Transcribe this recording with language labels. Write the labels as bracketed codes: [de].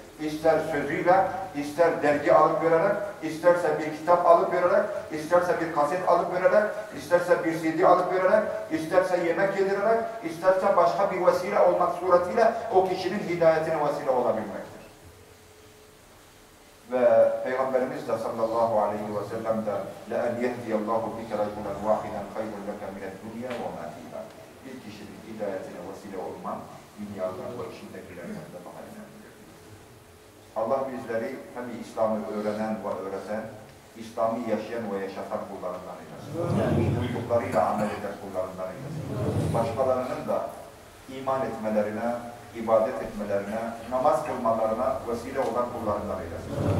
[tr] İster sözüyle, ister dergi alıp vererek, isterse bir kitap alıp vererek, isterse bir kaset alıp vererek, isterse bir CD alıp vererek, isterse yemek yedirerek, isterse başka bir vesile olmak suretiyle o kişinin hidayetine vesile olabilmektir. Ve Peygamberimiz de sallallahu aleyhi ve sellem de [ar] لَاَنْ يَهْدِيَ اللّٰهُ بِكَ رَجُولًا وَاحِدًا خَيْرٌ لَكَ مِنَ الدُّنْيَا وَمَا فِيهَا. [tr] Bir kişinin hidayetine vesile olman dünyadan ve içindekilerden de daha önemli. Allah bizleri hem İslam'ı öğrenen ve öğreten, İslam'ı yaşayan ve yaşatan kullarından eylesin. Duyduklarıyla amel eden kullarından eylesin. Başkalarının da iman etmelerine, ibadet etmelerine, namaz kılmalarına vesile olan kullarından eylesin.